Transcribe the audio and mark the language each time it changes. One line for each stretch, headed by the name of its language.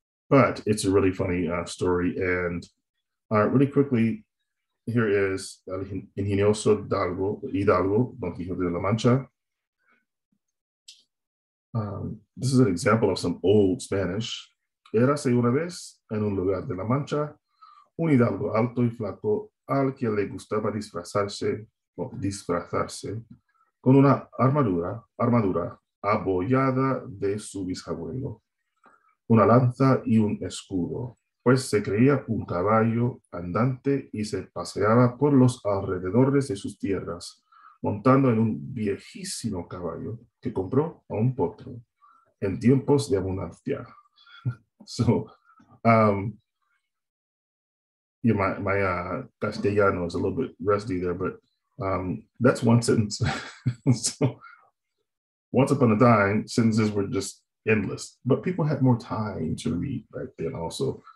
English: But it's a really funny story. And really quickly, here is El Ingenioso Hidalgo, Don Quixote de la Mancha. This is an example of some old Spanish.
Spanish: Érase una vez en un lugar de la Mancha, un hidalgo alto y flaco al que le gustaba disfrazarse con una armadura abollada de su bisabuelo, una lanza y un escudo, pues se creía un caballo andante y se paseaba por los alrededores de sus tierras, montando en un viejísimo caballo que compró a un potro en tiempos de abundancia.
English: So, yeah, my castellano is a little bit rusty there, but that's one sentence. So, once upon a time, sentences were just endless, but people had more time to read back then also.